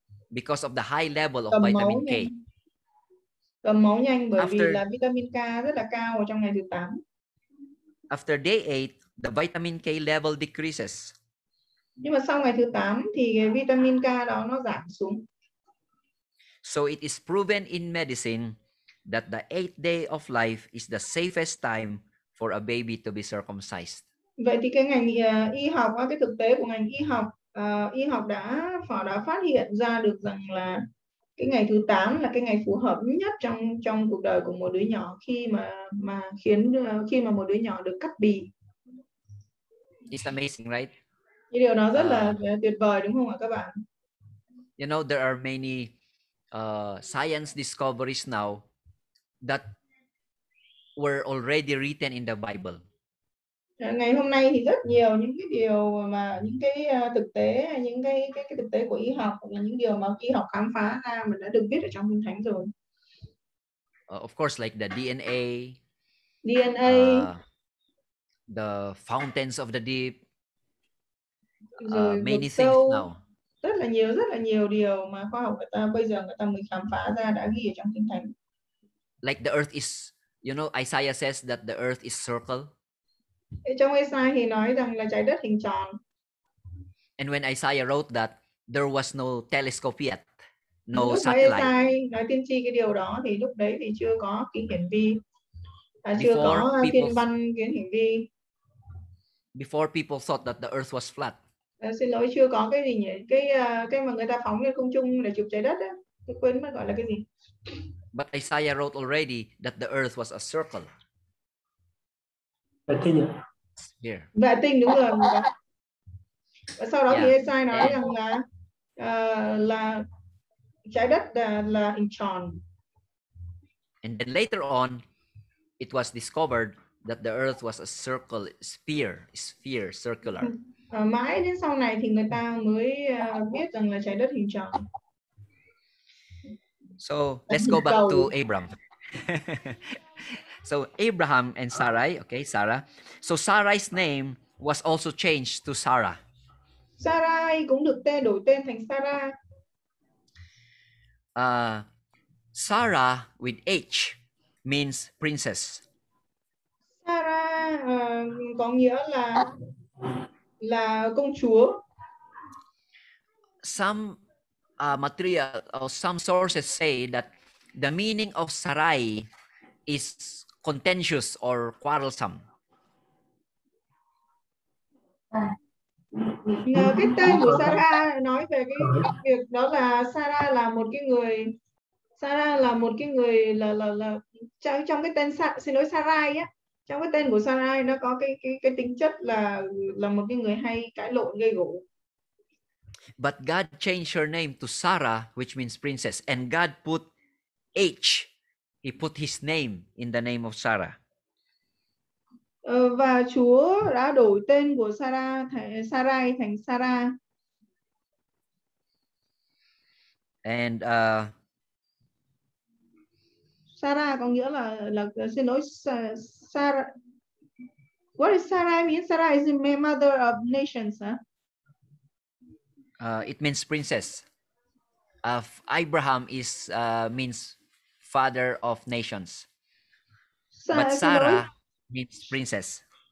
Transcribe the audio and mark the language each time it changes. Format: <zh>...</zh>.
<en>Because of the high level of vitamin K.</en> <vi>Cầm máu nhanh bởi vì là vitamin K rất là cao trong ngày thứ 8.</vi> <en>After day 8, the vitamin K level decreases.</en> <vi>Nhưng mà sau ngày thứ 8 thì cái vitamin K đó nó giảm xuống.</vi> <en>So it is proven in medicine that the 8th day of life is the safest time for a baby to be circumcised.</en> <vi>Vậy thì cái ngành y học, cái thực tế của ngành y học y học đã họ đã phát hiện ra được rằng là cái ngày thứ 8 là cái ngày phù hợp nhất trong trong cuộc đời của một đứa nhỏ khi mà khiến khi mà một đứa nhỏ được cắt bì.</vi> <en>It's amazing, right?</en> <vi>Cái điều đó rất là tuyệt vời đúng không ạ các bạn?</vi> <en>You know there are many science discoveries now that were already written in the Bible.</en> <vi>Ngày hôm nay thì rất nhiều những cái điều mà những cái thực tế, những cái thực tế của y học là những điều mà y học khám phá ra mình đã được biết ở trong Kinh Thánh rồi.</vi> <en>Of course, like the DNA. DNA. The fountains of the deep.</en> <vi>Rồi,</vi> <en>many things now.</en> <vi>Rất là nhiều điều mà khoa học người ta bây giờ người ta mới khám phá ra đã ghi ở trong Kinh Thánh.</vi> <en>Like the earth is, you know, Isaiah says that the earth is circle.</en> <vi>Trong Isaiah thì nói rằng là trái đất hình tròn.</vi> <en>And when Isaiah wrote that, there was no telescope yet, no satellite.</en> <vi>Khi Isaiah nói tiên tri cái điều đó thì lúc đấy thì chưa có kính hiển vi, chưa có thiên văn kính hiển vi.</vi> <en>Before people thought that the earth was flat.</en> <vi>Xin lỗi, chưa có cái gì nhỉ, cái mà người ta phóng lên không trung để chụp trái đất á, tôi quên mất gọi là cái gì.</vi> <en>But Isaiah wrote already that the earth was a circle.</en> <vi>Vệ tinh đúng rồi. Và sau đó thì Esai nói rằng là trái đất là hình tròn.</vi> <en>And then later on, it was discovered that the earth was a circle, sphere, circular.</en> <vi>Mãi đến sau này thì người ta mới biết rằng là trái đất hình tròn.</vi> <en>So let's go back to Abraham. So Abraham and Sarai, okay, Sarah. So Sarai's name was also changed to Sarah.</en> <vi>Sarai cũng được tên đổi tên thành Sarah.</vi> <en>Sarah with H means princess.</en> <vi>Sarah có nghĩa là công chúa.</vi> <en>Some material or some sources say that the meaning of Sarai is contentious or quarrelsome.</en> <vi>Cái tên của Sarah nói về cái việc đó là Sarah là một cái người, Sarah là một cái người là trong cái tên, xin lỗi, Sarai á, trong cái tên của Sarai nó có cái tính chất là một cái người hay cãi lộn gây gổ.</vi> <en>But God changed her name to Sarah, which means princess, and God put H. He put his name in the name of Sarah.</en> <vi>Và Chúa đã đổi tên của Sarai thành Sarah.</vi> <en>And</en> <vi>Sarah có nghĩa là xin lỗi, Sarah.</vi> <en>What is Sarah mean? Sarah is the mother of nations, huh? It means princess. Of Abraham is means father of nations. But Sarah means princess.</en>